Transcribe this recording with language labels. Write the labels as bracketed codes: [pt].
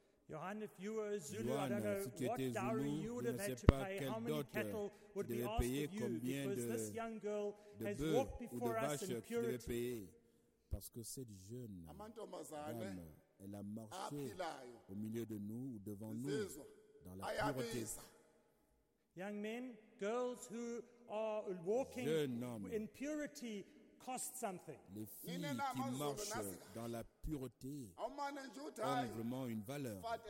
[en] Johan, if you were a Zulu, Johan, I don't know what dowry you would have had to pay, how many cattle would be asked of you, because this young girl has walked before us in purity. [zu] Amantombazane, [fr] elle a marché au milieu de nous ou devant nous dans la pureté. [en] Young men, girls who are walking in purity cost something. [fr] Les filles qui marchent dans la pureté ont vraiment une valeur.